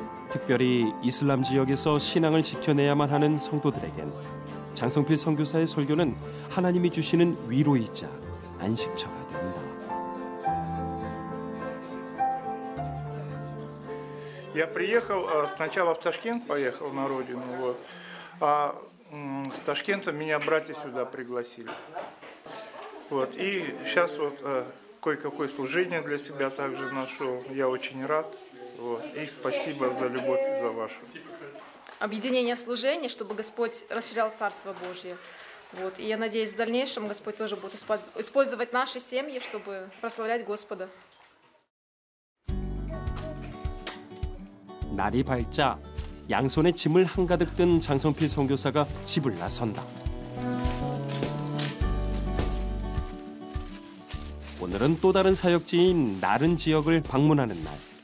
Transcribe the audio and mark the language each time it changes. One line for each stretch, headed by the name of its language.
Korean: 특별히 이슬람 지역에서 신앙을 지켜내야만 하는 성도들에겐 장성필 선교사의 설교는 하나님이 주시는 위로이자 안식처가 된다.
Russian: 야 приехал сначала в Ташкент поехал на родину. Вот. А с Ташкента меня братья сюда пригласили. Вот. И сейчас вот кое-какое служение для себя также нашёл. Я очень рад. Вот. И спасибо за любовь и за вашу. Объединение служений, чтобы Господь расширял Царство Божье. Вот. И я надеюсь, в дальнейшем Господь тоже будет использовать наши семьи, чтобы прославлять Господа.
Korean: 날이 밝자 양손에 짐을 한가득 든 장성필 선교사가 집을 나선다. 오늘은 또 다른 사역지인 나른 지역을 방문하는 날.